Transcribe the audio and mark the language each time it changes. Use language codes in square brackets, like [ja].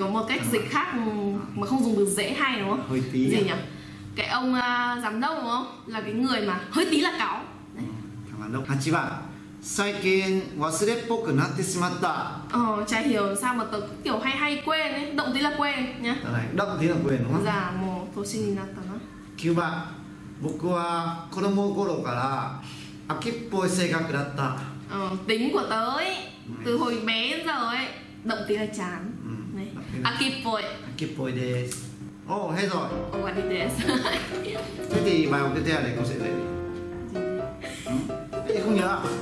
[vi] có một cách dịch khác mà không dùng từ dễ hay đúng không? Hơi tí gì nhỉ? Cái ông giám đốc đúng không? Là cái người mà hơi tí là cáu. Thằng giám đốc. [ja] 8 番. 最近忘れっぽくなってしまった. [vi] Chả hiểu sao mà tớ kiểu hay hay quên ấy. Động tí là quên nhá. Động tí là quên đúng không? Dạ, mồ, tổ sinh nhìn nát tớ. [ja] 9 番. 僕は子供頃から 飽きっぽい性格だった. [vi] Tính của tớ ấy, từ hồi bé đến giờ ấy, động tí là chán. [ja] Akipoi. Akipoi desu. Oh, hết rồi. Owari desu. [vi] Thế thì bài học tiếp theo này con sẽ dạy. Thế thì không nhớ.